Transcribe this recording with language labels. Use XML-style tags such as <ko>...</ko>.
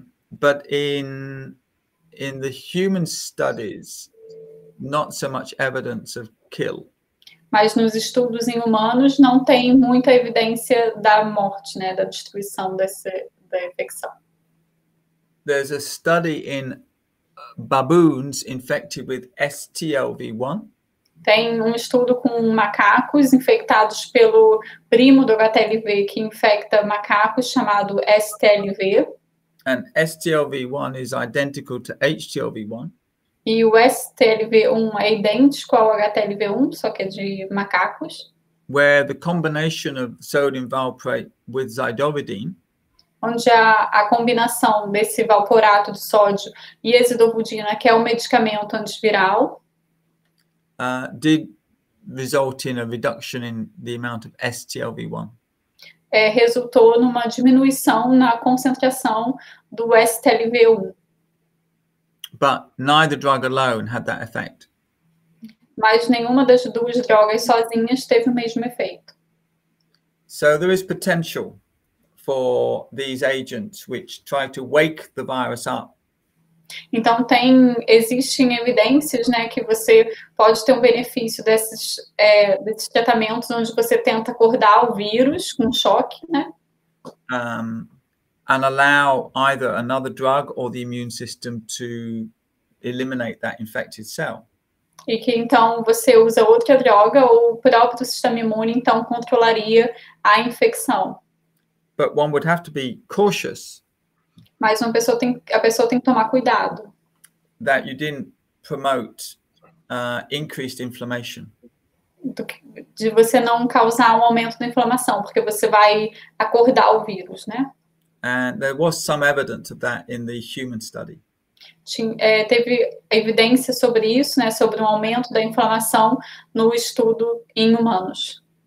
<en>But in the human studies, not so much evidence of kill.</en> <pt>Mas nos estudos em humanos não tem muita evidência da morte, né, da destruição da infecção.</pt> <en>There's a study in baboons infected with STLV1.</en> <pt>Tem estudo com macacos infectados pelo primo do HTLV que infecta macacos chamado STLV.</pt> <en>And STLV1 is identical to HTLV1.</en> <pt>E o STLV1 é idêntico ao HTLV1, só que é de macacos.</pt> <en>Where the combination of sodium valproate with zidovudine.</en> <pt>Onde a combinação desse valproato de sódio e zidovudina, que é o medicamento antiviral.</pt> <en>Did result in a reduction in the amount of STLV1.</en> <pt>Resultou numa diminuição na concentração do STLV1.</pt> <en>But neither drug alone had that effect.</en> <pt>Mas nenhuma das duas drogas sozinhas teve o mesmo efeito.</pt> <en>So there is potential for these agents which try to wake the virus up.</en> <pt>Então existem evidências, né, que você pode ter um benefício desses tratamentos onde você tenta acordar o vírus com choque, né?</pt> <en>And allow either another drug or the immune system to eliminate that infected cell.</en> <pt>E que então você usa outra droga ou o próprio sistema imune então controlaria a infecção.</pt> <en>But one would have to be cautious.</en> <pt>Mas a pessoa tem que tomar cuidado.</pt> <en>That you didn't promote increased inflammation.</en> <pt>De você não causar aumento da inflamação, porque você vai acordar o vírus, né?</pt> <en>And there was some evidence of that in the human study.</en> <pt>Teve evidência sobre isso, né? Sobre um aumento da inflamação no estudo em humanos.</pt>